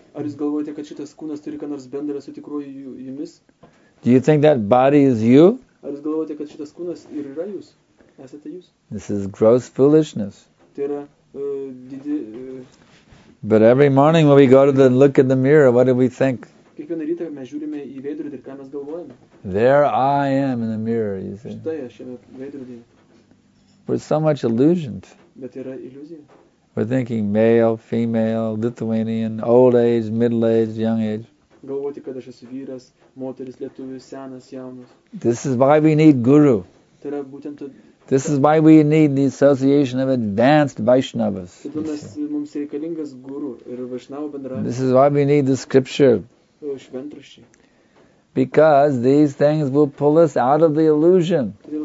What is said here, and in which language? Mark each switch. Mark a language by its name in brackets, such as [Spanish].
[Lithuanian] Ar jūs galvojate, kad šitas kūnas turi ką nors bendra su tikruoju jumis? [English] Do you think that body is you? [Lithuanian] Ar jūs galvojate, kad šitas kūnas ir yra jūs? Esate jūs? [English] This is gross foolishness. [Lithuanian] Tai yra didi... [English] But every morning when we go to the look in the mirror, what do we think? [Lithuanian] Kiekvieną rytą mes žiūrime į veidrodį ir ką mes galvojame? [English] There I am in the mirror, you see. [Lithuanian] Štai aš šiame veidrodyje. [English] We're so much illusioned. [Lithuanian] Bet yra iliuzija. [English] We're thinking male, female, Lithuanian, old age, middle age, young age. [Lithuanian] Galvoti, kad aš esu vyras, moteris, lietuvis, senas, jaunas. [English] This is why we need guru. [Lithuanian] Tai yra būtent to... [English] This is why we need the association of advanced Vaishnavas. This is why we need the scripture. Because these things will pull us out of the illusion.